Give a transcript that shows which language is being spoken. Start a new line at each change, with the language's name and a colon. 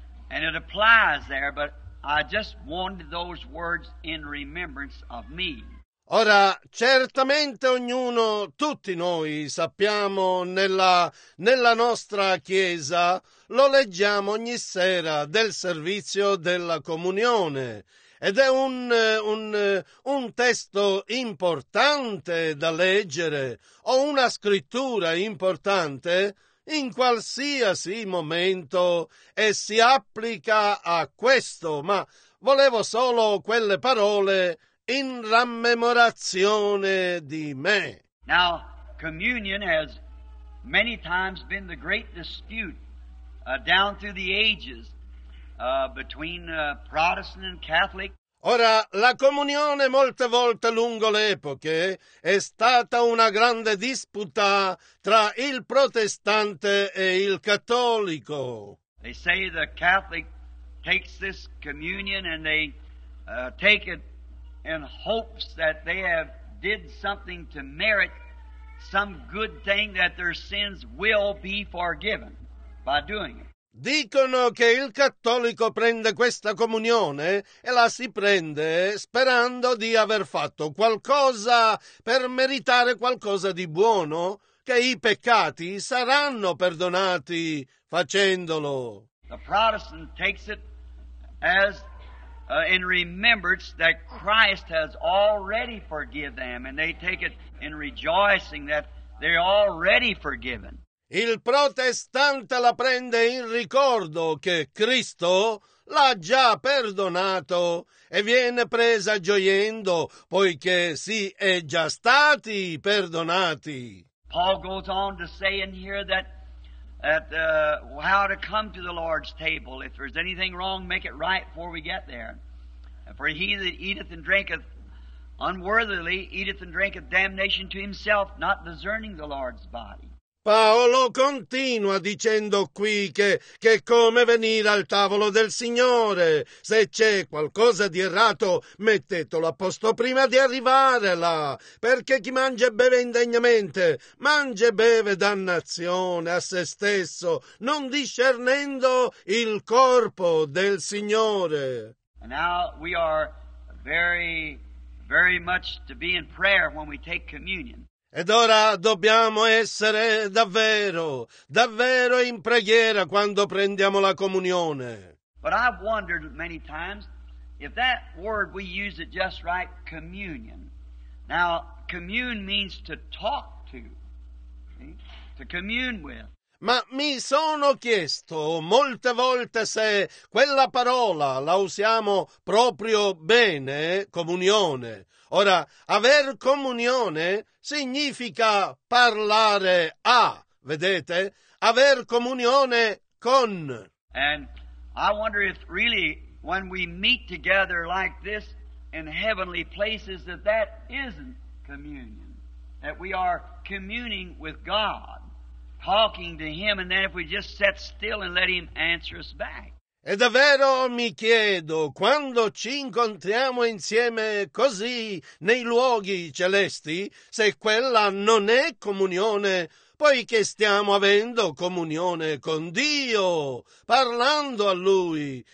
English: And it applies there, but I just wanted those words in remembrance of me.
Italian: Ora, certamente ognuno, tutti noi sappiamo nella nostra chiesa, lo leggiamo ogni sera del servizio della comunione. Ed è un testo importante da leggere, o una scrittura importante, in qualsiasi momento, e si applica a questo. Ma volevo solo quelle parole: in rammemorazione di me.
English: Now, communion has many times been the great dispute down through the ages between Protestant and Catholic.
Italian: Ora, la comunione molte volte lungo le epoche è stata una grande disputa tra il protestante e il cattolico.
English: They say the Catholic takes this communion and they take it in hopes that they have did something to merit some good thing, that their sins will be forgiven by doing it.
Italian: Dicono che il cattolico prende questa comunione e la si prende sperando di aver fatto qualcosa per meritare qualcosa di buono, che i peccati saranno perdonati facendolo.
English: The Protestant takes it as in remembrance that Christ has already forgiven them, and they take it in rejoicing that they're already forgiven.
Italian: Il protestante la prende in ricordo che Cristo l'ha già perdonato e viene presa gioiendo poiché si è già stati perdonati.
English: Paul goes on to say in here how to come to the Lord's table. If there's anything wrong, make it right before we get there. For he that eateth and drinketh unworthily eateth and drinketh damnation to himself, not discerning the Lord's body.
Italian: Paolo continua dicendo qui che come venire al tavolo del Signore. Se c'è qualcosa di errato, mettetelo a posto prima di arrivare là. Perché chi mangia e beve indegnamente, mangia e beve dannazione a se stesso, non discernendo il corpo del Signore.
English: And now we are very, very much to be in prayer when we take communion.
Italian: Ed ora dobbiamo essere davvero, davvero in preghiera quando prendiamo la comunione.
English: But I've wondered many times if that word we use it just right, communion. Now, commune means to talk to, okay? To commune with.
Italian: Ma mi sono chiesto molte volte se quella parola la usiamo proprio bene, comunione. Ora, aver comunione significa parlare a, vedete? Aver comunione con.
English: And I wonder if really when we meet together like this in heavenly places that isn't communion, that we are communing with God, talking to him, and then if we just sit still and let him answer us back.
Italian: E davvero mi chiedo, quando ci incontriamo insieme così nei luoghi celesti, se quella non è comunione, poiché stiamo avendo comunione con Dio, parlando a Lui.